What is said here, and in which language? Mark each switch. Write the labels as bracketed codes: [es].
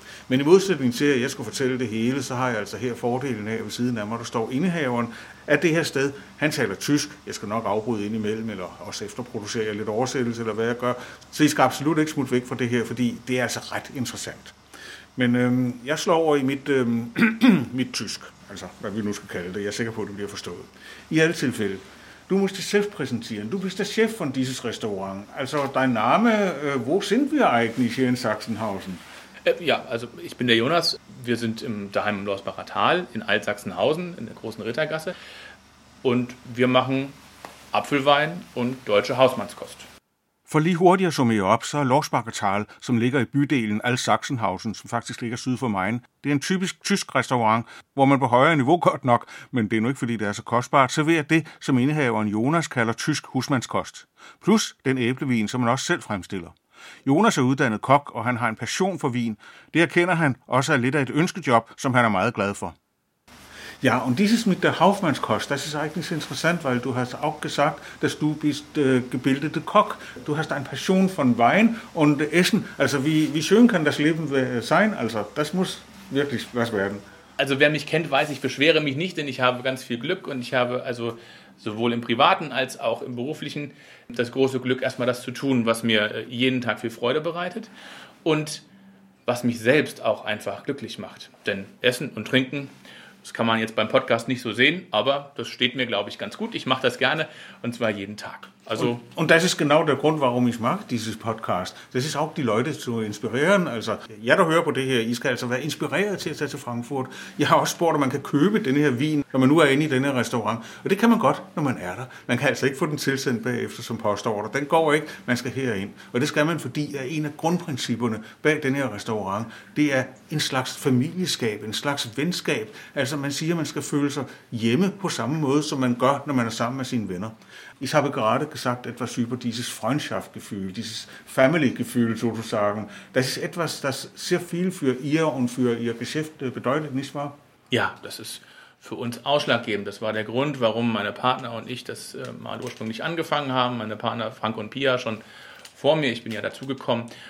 [da] Men i modsætning til, at jeg skulle fortælle det hele, så har jeg altså her fordelen af, ved siden af mig, der står indehaveren, at det her sted, han taler tysk. Jeg skal nok afbryde ind imellem, eller også efterproducere jeg lidt oversættelse, eller hvad jeg gør. Så I skal absolut ikke smutte væk fra det her, fordi det er altså ret interessant. Men jeg slår over i mit tysk. Altså, hvad vi nu skal kalde det. Jeg er sikker på, at det bliver forstået. I alle tilfælde. [de] Du musst dich selbst präsentieren. Du bist der Chef von dieses Restaurant. Also, dein Name, wo sind wir eigentlich hier in Sachsenhausen? Ich bin der Jonas. Wir sind daheim im Lorsbacher Tal in Alt-Sachsenhausen, in der großen Rittergasse. Und wir machen Apfelwein und deutsche Hausmannskost. [da] For lige hurtigere summerer op, så er Lorsbacher Tal, som ligger i bydelen Alt-Sachsenhausen, som faktisk ligger syd for Main, det er en typisk tysk restaurant, hvor man på højere niveau godt nok, men det er nu ikke fordi det er så kostbart, serverer det, som indehaveren Jonas kalder tysk husmandskost. Plus den æblevin, som man også selv fremstiller. Jonas er uddannet kok, og han har en passion for vin. Det erkender han også er lidt af et ønskejob, som han er meget glad for. [de] Ja, und dieses mit der Hausmannskost, das ist eigentlich interessant, weil du hast auch gesagt, dass du bist gebildete Koch. Du hast eine Passion von Wein und Essen. Also wie schön kann das Leben sein? Also das muss wirklich was werden. Also wer mich kennt, weiß, ich beschwere mich nicht, denn ich habe ganz viel Glück und ich habe also sowohl im Privaten als auch im Beruflichen das große Glück, erstmal das zu tun, was mir jeden Tag viel Freude bereitet und was mich selbst auch einfach glücklich macht. Denn Essen und Trinken, das kann man jetzt beim Podcast nicht so sehen, aber das steht mir, glaube ich, ganz gut. Ich mache das gerne und zwar jeden Tag. Also und das ist genau der Grund, warum ich mag dieses Podcast. Das ist auch die Leute zu inspirieren. [da] Also, jeg der hører på det her, I skal altså være inspireret til at tage til Frankfurt. Jeg har også spurgt, om man kan købe den her vin, når man nu er inde i den her restaurant. Og det kan man godt, når man er der. Man kan altså ikke få den tilsendt bagefter som postorder. Den går ikke, man skal herind. Og det skal man, fordi at en af grundprincipperne bag den her restaurant, det er en slags familieskab, en slags venskab. Altså man siger, at man skal føle sig hjemme på samme måde, som man gør, når man er sammen med sine venner. [de] Ich habe gerade gesagt, etwas über dieses Freundschaftsgefühl, dieses Family-Gefühl sozusagen. Das ist etwas, das sehr viel für ihr und für ihr Geschäft bedeutet, nicht wahr? Ja, das ist für uns ausschlaggebend. Das war der Grund, warum meine Partner und ich das mal ursprünglich angefangen haben. Meine Partner Frank und Pia schon vor mir. Ich bin ja dazugekommen.